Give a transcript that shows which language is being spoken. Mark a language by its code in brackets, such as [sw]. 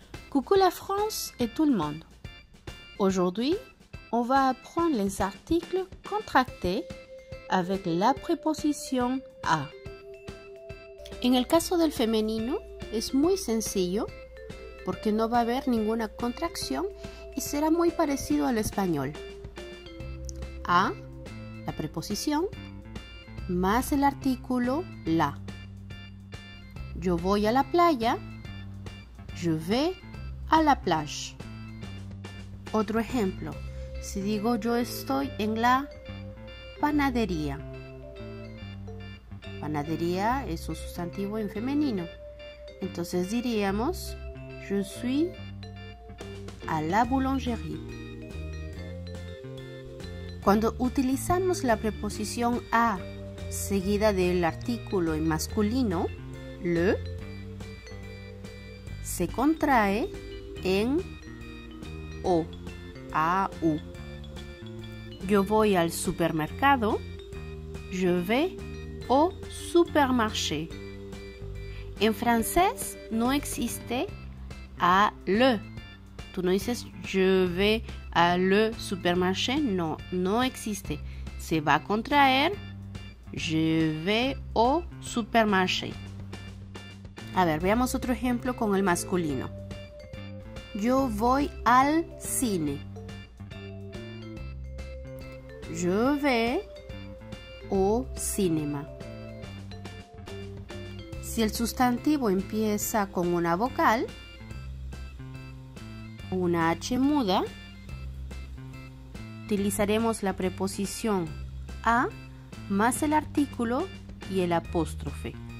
[fr] Coucou la France et tout le monde. Aujourd'hui, on va apprendre les articles contractés avec la préposition a. [es] En el caso del femenino, es muy sencillo porque no va a haber ninguna contracción y será muy parecido al español. A, la preposición, más el artículo la. Yo voy a la playa. [fr] Je vais à la plage. [es] Otro ejemplo. Si digo yo estoy en la panadería. Panadería es un sustantivo en femenino. Entonces diríamos [fr] je suis à la boulangerie. [es] Cuando utilizamos la preposición a seguida del artículo en masculino, le, se contrae en o, a, u. Yo voy al supermercado, [fr] je vais au supermarché. [es] En francés no existe a le. Tú no dices [fr] je vais à le supermarché, [es] no, no existe. Se va a contraer [fr] je vais au supermarché. [es] A ver, veamos otro ejemplo con el masculino. Yo voy al cine. [fr] Je vais au cinéma. [es] Si el sustantivo empieza con una vocal, una H muda, utilizaremos la preposición a más el artículo y el apóstrofe.